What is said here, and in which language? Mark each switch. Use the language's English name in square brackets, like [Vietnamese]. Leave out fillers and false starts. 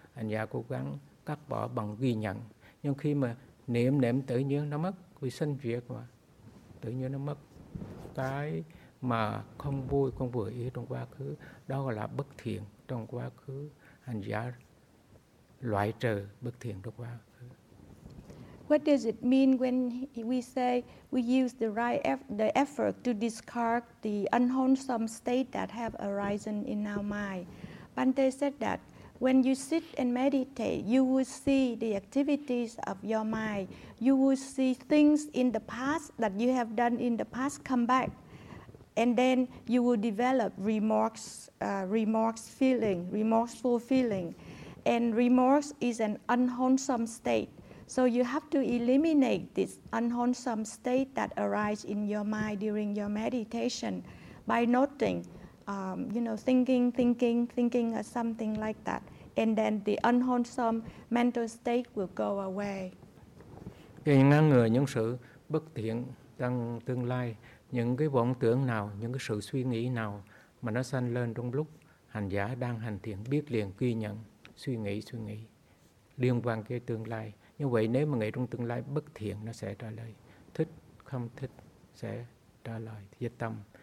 [Vietnamese] Thành ra cố gắng cắt bỏ bằng ghi nhận. Nhưng khi mà niệm niệm tự nhiên nó mất, vì sinh việc mà, tự nhiên nó mất. Cái mà không vui, không vừa ý trong quá khứ, đó là bất thiện trong quá khứ. Hành giả loại trừ bất thiện trong quá khứ. [English] What does it mean when we say we use the right the effort to discard the unwholesome state that have arisen in our mind? Bhante said that when you sit and meditate, you will see the activities of your mind. You will see things in the past that you have done in the past come back. And then you will develop remorseful feeling. And remorse is an unwholesome state. So you have to eliminate this unwholesome state that arises in your mind during your meditation by noting, thinking or something like that. And then the unwholesome mental state will go away. [Vietnamese] Khi ngăn ngừa những sự bất thiện trong tương lai, những cái vọng tưởng nào, những cái sự suy nghĩ nào mà nó sanh lên trong lúc hành giả đang hành thiền, biết liền ghi nhận, suy nghĩ liên quan cái tương lai. Như vậy nếu mà nghĩ trong tương lai bất thiện nó sẽ trả lời, thích không thích sẽ trả lời với tâm.